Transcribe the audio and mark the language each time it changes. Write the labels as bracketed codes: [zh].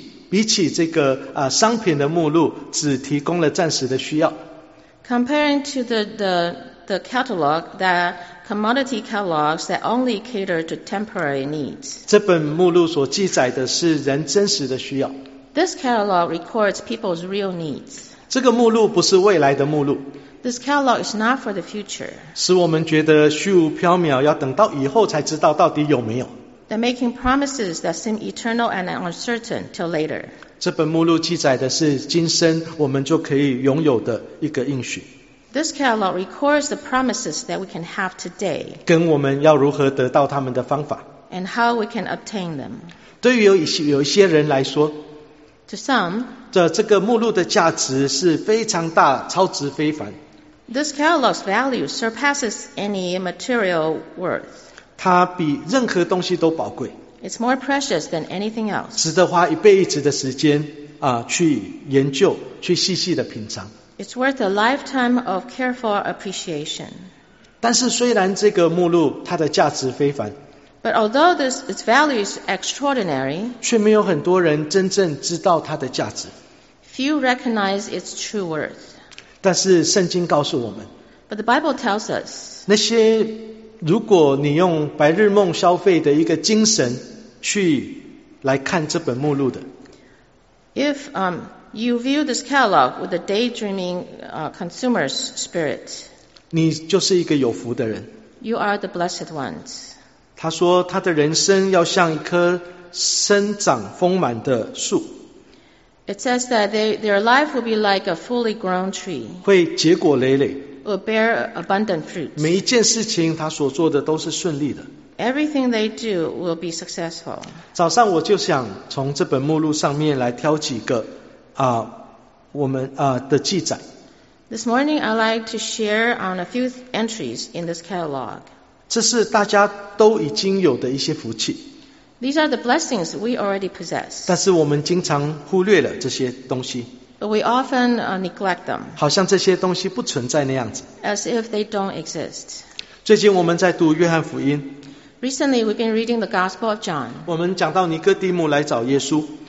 [zh] 比起这个商品的目录，只提供了暂时的需要。 [en] Comparing to the catalog, the commodity catalogs that only cater to temporary needs. [zh] 这本目录所记载的是人真实的需要。 [en] This catalog records people's real needs. [zh] 这个目录不是未来的目录。 [en] This catalog is not for the future. [zh] 使我们觉得虚无缥缈，要等到以后才知道到底有没有。 [en] They're making promises that seem eternal and uncertain till later. [zh] 这本目录记载的是今生我们就可以拥有的一个应许。 [en] This catalog records the promises that we can have today. [zh] 跟我们要如何得到他们的方法。 [en] And how we can obtain them. [zh] 对于有一些人来说 [en] ，To some, [zh] 这个目录的价值是非常大，超值非凡。 [en] This catalog's value surpasses any material worth. [zh] 它比任何东西都宝贵。 [en] It's more precious than anything else. [zh] 值得花一辈子的时间啊，去研究，去细细的品尝。 [en] It's worth a lifetime of careful appreciation. [zh] 但是虽然这个目录它的价值非凡 [en] ，But although its value is extraordinary, [zh] 却没有很多人真正知道它的价值。 [en] Few recognize its true worth. [zh] 但是圣经告诉我们 [en] ，But the Bible tells us, [zh] 那些如果你用白日梦消费的一个精神去来看这本目录的 [en] ，If You view this catalog with a daydreaming consumer's spirit. [zh] 你就是一个有福的人。 [en] You are the blessed ones. [zh] 他说他的人生要像一棵生长丰满的树。 [en] It says that their life will be like a fully grown tree. [zh] 会结果累累。 [en] Will bear abundant fruit. [zh] 每一件事情他所做的都是顺利的。 [en] Everything they do will be successful. [zh] 早上我就想从这本目录上面来挑几个的记载。 [en] This morning, I'd like to share on a few entries in this catalog. [zh] 这是大家都已经有的一些福气。 [en] These are the blessings we already possess. [zh] 但是我们经常忽略了这些东西。 [en] But we often neglect them. [zh] 好像这些东西不存在那样子。 [en] As if they don't exist. [zh] 最近我们在读约翰福音。 [en] Recently, we've been reading the Gospel of John. [zh] 我们讲到尼哥底母来找耶稣。